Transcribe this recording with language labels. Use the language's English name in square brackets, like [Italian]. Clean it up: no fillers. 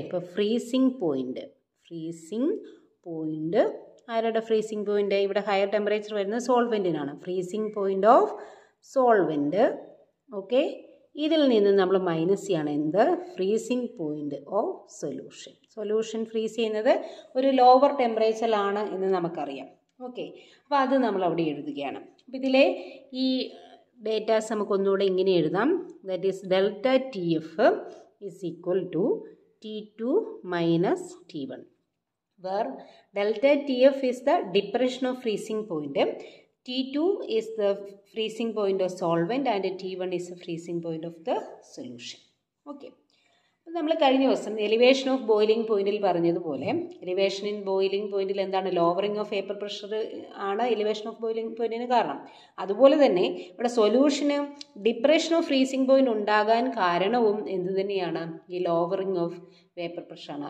[Malayalam] ഇപ്പോൾ freezing point, freezing point ആരുടെ freezing point, ഇവിടെ ഹയർ ടെമ്പറേച്ചർ വരുന്ന സോൾവെൻറ്റിനാണ്, freezing point of solvent. Okay, ഇതിൽ നിന്ന് നമ്മൾ മൈനസ് ചെയ്യണം എന്ത്, freezing point of solution. Solution freeze ചെയ്യുന്നത് ഒരു ലോവർ ടെമ്പറേച്ചറിലാണ് എന്ന് നമുക്കറിയാം. ഓക്കെ, അപ്പോൾ അത് നമ്മൾ അവിടെ എഴുതുകയാണ്. അപ്പോൾ ഇതിലെ ഈ data samakonnode ingine ezhudam, [English] that is delta tf is equal to t2 minus t1, where delta tf is the depression of freezing point, t2 is the freezing point of solvent and t1 is the freezing point of the solution. Okay. [Malayalam] നമ്മൾ കഴിഞ്ഞ ദിവസം elevation of boiling പോയിന്റിൽ പറഞ്ഞതുപോലെ elevation in boiling പോയിന്റിൽ എന്താണ് lowering of vapour pressure ആണ് elevation of boiling പോയിന്റിന് കാരണം. അതുപോലെ തന്നെ ഇവിടെ സൊല്യൂഷന് ഡിപ്രഷൻ ഓഫ് ഫ്രീസിംഗ് പോയിന്റ് ഉണ്ടാകാൻ കാരണവും എന്ത് തന്നെയാണ്, ഈ ലോവറിംഗ് ഓഫ് വേപ്പർ പ്രഷറാണ്.